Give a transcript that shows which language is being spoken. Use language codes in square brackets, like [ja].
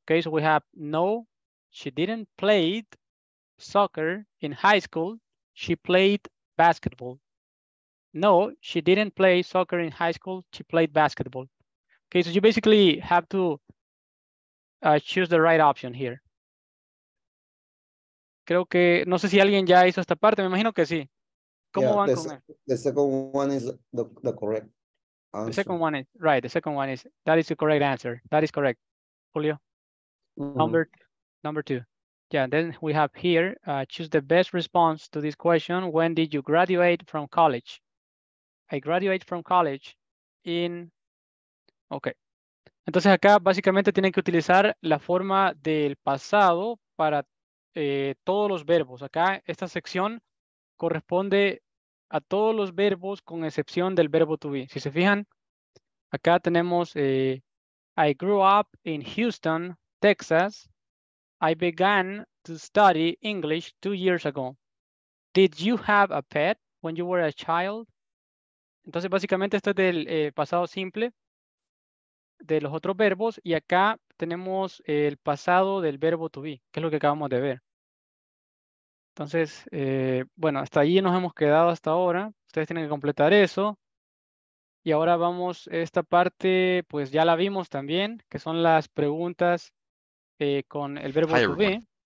[en] Okay, so we have no, she didn't play soccer in high school. She played basketball. No, she didn't play soccer in high school. She played basketball. Okay, so you basically have to choose the right option here. [es] Creo que, no sé si alguien ya hizo esta parte, me imagino que sí. ¿Cómo van con eso? [en] The second one is the correct answer. The second one is, right, the second one is, that is the correct answer. That is correct, Julio. Mm-hmm. Number two. Yeah, then we have here, choose the best response to this question. When did you graduate from college? I graduate from college in, okay. [es] Entonces acá básicamente tienen que utilizar la forma del pasado para todos los verbos. Acá esta sección corresponde a todos los verbos con excepción del verbo to be. Si se fijan, acá tenemos [en] I grew up in Houston, Texas. I began to study English 2 years ago. Did you have a pet when you were a child? [es] Entonces básicamente esto es del pasado simple de los otros verbos y acá tenemos el pasado del verbo to be, que es lo que acabamos de ver. Entonces, bueno, hasta ahí nos hemos quedado hasta ahora. Ustedes tienen que completar eso. Y ahora vamos a esta parte, pues ya la vimos también, que son las preguntas con el verbo to be.